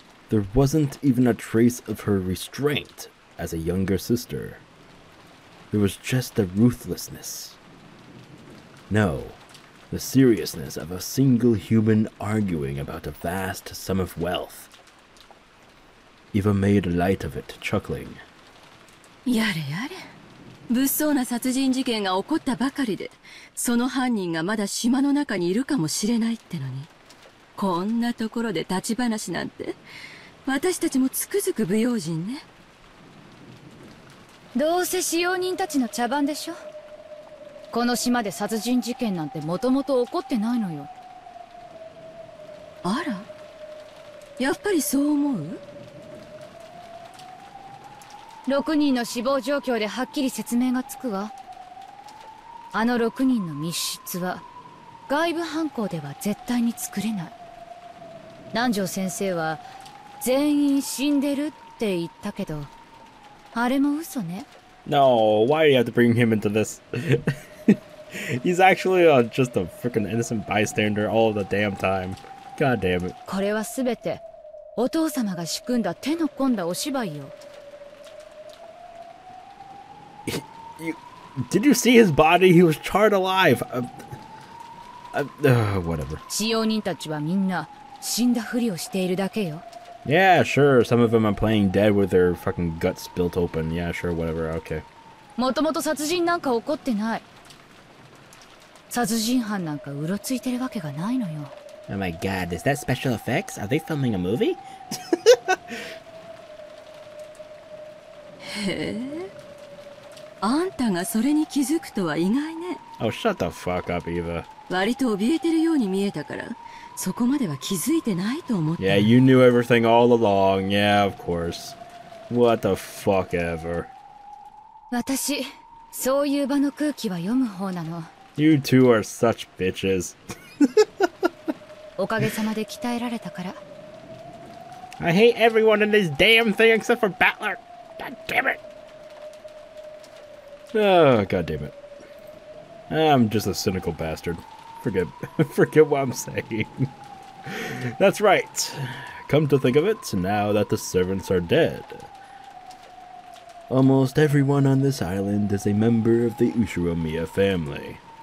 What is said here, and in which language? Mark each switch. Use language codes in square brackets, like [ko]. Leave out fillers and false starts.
[en] There wasn't even a trace of her restraint as a younger sister. There was just the ruthlessness. No, the seriousness of a single human arguing about a vast sum of wealth. Eva made light of it, chuckling. [ja] やれやれ、物騒な殺人事件が起こったばかりで、その犯人がまだ島の中にいるかもしれないってのに、こんなところで立ち話なんて、私たちもつくづく不用心ね。どうせ使用人たちの茶番でしょ。この島で殺人事件なんてもともと起こってないのよ。あら、やっぱりそう思う？ 6人の死亡状況ではっきり説明がつくわ。あの6人の密室は外部犯行では絶対に作れない。南條先生は全員死んでるって言ったけど、あれも嘘ね。 [en] No, why do you have to bring him into this? He's actually just a freaking innocent bystander all the damn time. God damn it. [ja] これはすべてお父様が仕組んだ手の込んだお芝居よ。 [en] Did you see his body? He was charred alive. Whatever. [ja] 使用人たちはみんな死んだふりをしているだけよ。 [en] Yeah, sure. Some of them are playing dead with their fucking guts built open. Yeah, sure. Whatever. Okay. [ja] もともと殺人なんか起こってない。殺人犯なんかうろついてるわけがないのよ。 [en] Oh my god, is that special effects? Are they filming a movie? [ja] あんたがそれに気づくとは意外ね。 [en] Oh, shut the fuck up, Eva. [ja] 割と怯えてるように見えたから、そこまでは気づいてないと思った。 [en] Yeah, you knew everything all along. Yeah, of course. What the fuck ever. [ja] 私、そういう場の空気は読む方なの。 [en] You two are such bitches. [ja] おかげさまで鍛えられたから。 [en] I hate everyone in this damn thing except for Battler. God damn it! Oh, god damn it. I'm just a cynical bastard. Forget what I'm saying. That's right. Come to think of it, now that the servants are dead, almost everyone on this island is a member of the Ushiromiya family.